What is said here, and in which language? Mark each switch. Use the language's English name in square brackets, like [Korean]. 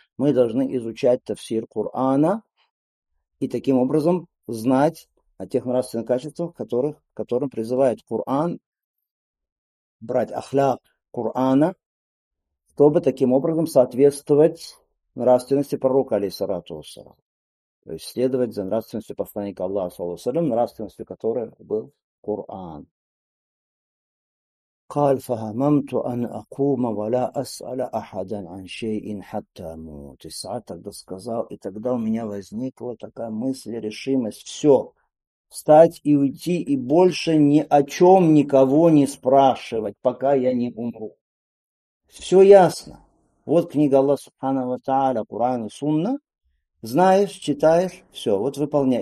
[Russian] Мы должны изучать тафсир Курана и таким образом знать о тех нравственных качествах, которым призывает Куран, брать ахляк Курана, чтобы таким образом соответствовать нравственности пророка, алейхиссалату вассалям. То есть следовать за нравственностью посланника Аллаха, саллаллаху алейхи ва саллям, нравственностью которой был Коран. [Arabic] قال فهممت أن أقوم ولا أسأل أحدا عن شيء حتى أموت. [Russian] И Саад тогда сказал, и тогда у меня возникла такая мысль, решимость, все, встать и уйти, и больше ни о чем никого не спрашивать, пока я не умру. Все ясно. Вот книга Аллаха Субхана ва Тааля, Куран и Сунна. Знаешь, читаешь, все, вот выполняй.